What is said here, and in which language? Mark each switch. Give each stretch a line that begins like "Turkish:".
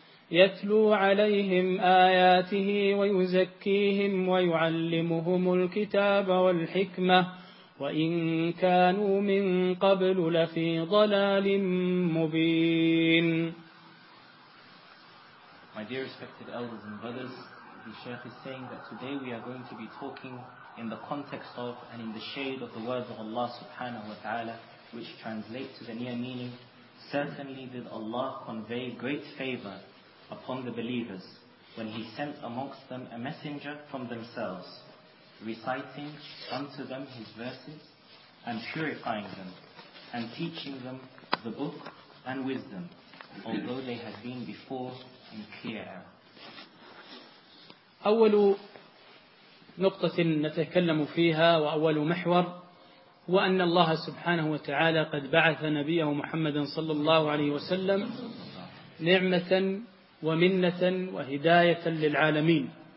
Arabic: يتلو عليهم آياته ويزكيهم ويعلمهم الكتاب والحكمة وإن كانوا من قبل لفي ضلال مبين.
English: My dear respected elders and brothers, the Shaykh is saying that today we are going to be talking in the context of and in the shade of the words of Allah subhanahu wa ta'ala, which translate to the near meaning, certainly did Allah convey great favor upon the believers when He sent amongst them a messenger from themselves, reciting unto them His verses and purifying them and teaching them the book and wisdom, although they had been before in clear error.
Arabic: أول نقطة نتكلم فيها وأول محور هو أن الله سبحانه وتعالى قد بعث نبيه محمد صلى الله عليه وسلم نعمة ومنة وهداية للعالمين